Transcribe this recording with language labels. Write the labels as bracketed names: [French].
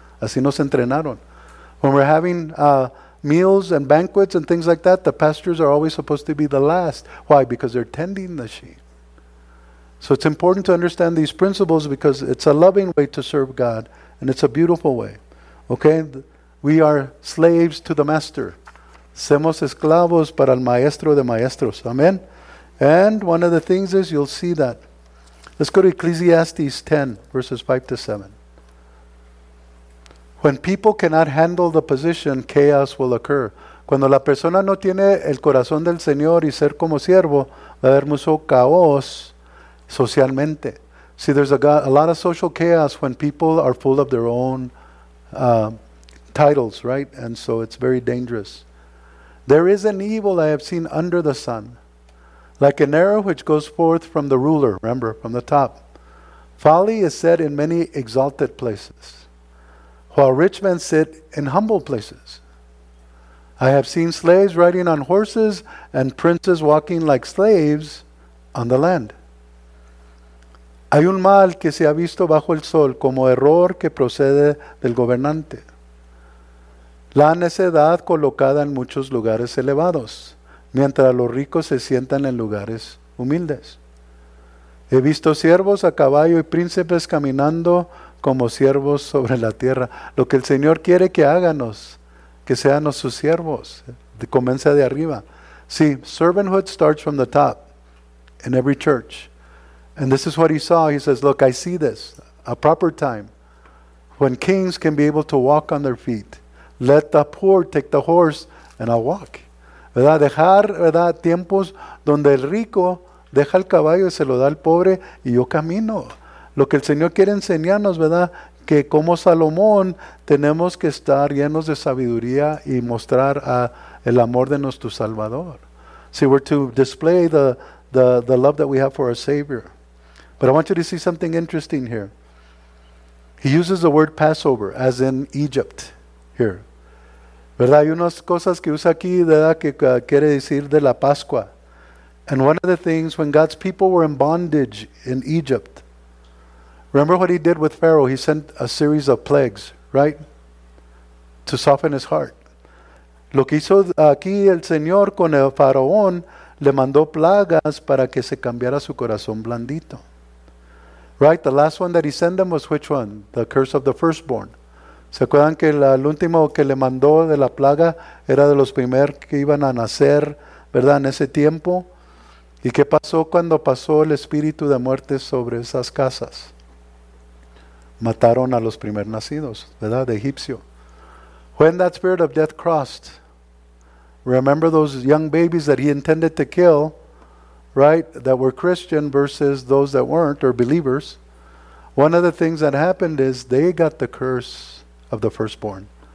[Spanish] Así nos entrenaron. [English] When we're having meals and banquets and things like that, the pastors are always supposed to be the last. Why? Because they're tending the sheep. So it's important to understand these principles because it's a loving way to serve God and it's a beautiful way. Okay? We are slaves to the master. [Spanish] Somos esclavos para el maestro de maestros. [English] Amen? And one of the things is you'll see that. Let's go to Ecclesiastes 10, verses 5 to 7. When people cannot handle the position, chaos will occur. [Spanish] Cuando la persona no tiene el corazón del Señor y ser como siervo, va a haber mucho caos. Socialmente. [English] See, there's a lot of social chaos when people are full of their own titles, right? And so it's very dangerous. There is an evil I have seen under the sun, like an arrow which goes forth from the ruler, remember, from the top. Folly is said in many exalted places, while rich men sit in humble places. I have seen slaves riding on horses and princes walking like slaves on the land. [Spanish] Hay un mal que se ha visto bajo el sol como error que procede del gobernante. La necedad colocada en muchos lugares elevados, mientras los ricos se sientan en lugares humildes. He visto siervos a caballo y príncipes caminando como siervos sobre la tierra. Lo que el Señor quiere que háganos, que seamos sus siervos, comienza de arriba. [English] Sí, servanthood starts from the top in every church. And this is what he saw. He says, look, I see this, a proper time, when kings can be able to walk on their feet. Let the poor take the horse and I'll walk. [Spanish] ¿Verdad? Dejar, ¿verdad? Tiempos donde el rico deja el caballo y se lo da al pobre y yo camino. Lo que el Señor quiere enseñarnos, ¿verdad? Que como Salomón tenemos que estar llenos de sabiduría y mostrar el amor de nuestro Salvador. [English] See, we're to display the love that we have for our Savior. But I want you to see something interesting here. He uses the word Passover, as in Egypt, here. [Spanish] ¿Verdad? Hay unas cosas que usa aquí, ¿verdad? Que quiere decir de la Pascua. [English] And one of the things, when God's people were in bondage in Egypt, remember what he did with Pharaoh? He sent a series of plagues, right? To soften his heart. [Spanish] Lo que hizo aquí el Señor con el faraón, le mandó plagas para que se cambiara su corazón blandito. [English] Right, the last one that he sent them was which one? The curse of the firstborn. [Spanish] ¿Se acuerdan que el último que le mandó de la plaga era de los primeros que iban a nacer, ¿verdad? En ese tiempo. ¿Y qué pasó cuando pasó el espíritu de muerte sobre esas casas? Mataron a los primer nacidos, ¿verdad? De egipcio. [English] When that spirit of death crossed, remember those young babies that he intended to kill, right, that were Christian versus those that weren't or believers. One of the things that happened is they got the curse of the firstborn.